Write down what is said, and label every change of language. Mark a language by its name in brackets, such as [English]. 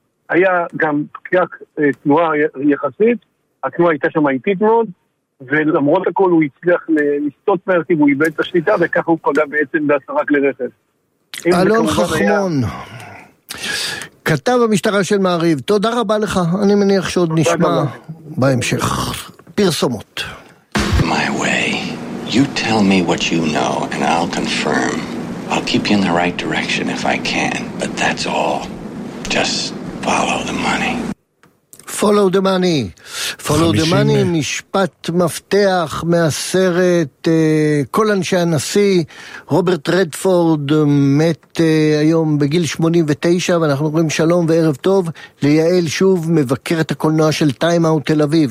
[Hebrew] היה גם פקק תנועה יחסית, התנועה הייתה שם איטית מאוד, ולמרות הכל הוא הצליח לסטות מהרכיב, הוא איבד את השליטה, וככה הוא פגע בעצם ב10 כלי רכב. אלון חכמון. כתב המשטרה של מעריב, תודה רבה לך, אני מניח שעוד נשמע בהמשך. [English] פרסומות. My way. You tell me what you know and I'll confirm. I'll keep you in the right direction if I can, but that's all. Just follow the money. Follow the money. Follow the money, [Hebrew] משפט מפתח מהסרט כל אנשי הנשיא. רוברט רדפורד מת היום בגיל 89, ואנחנו אומרים שלום וערב טוב ליעל שוב, מבקרת הקולנוע של טיים אאוט תל אביב.